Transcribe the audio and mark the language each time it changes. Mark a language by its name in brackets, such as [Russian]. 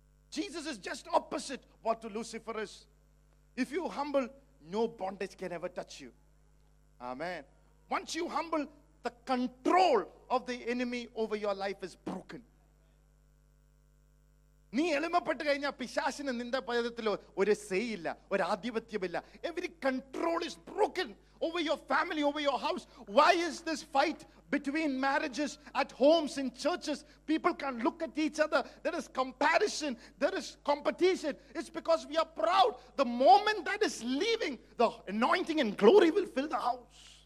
[English] Jesus is just opposite what to Lucifer is. If you humble, no bondage can ever touch you. Amen. Once you humble, the control of the enemy over your life is broken. [Malayalam] നീ എളിമപ്പെട്ട് കഴിഞ്ഞാൽ പിശാചിന് നിന്റെ പദത്തിലോ ഒരു സേയില്ല, ഒരു ആധിപത്യമില്ല. [English] Every control is broken over your family, over your house. Why is this fight between marriages, at homes, in churches? People can't look at each other. There is comparison. There is competition. It's because we are proud. The moment that is leaving, the anointing and glory will fill the house.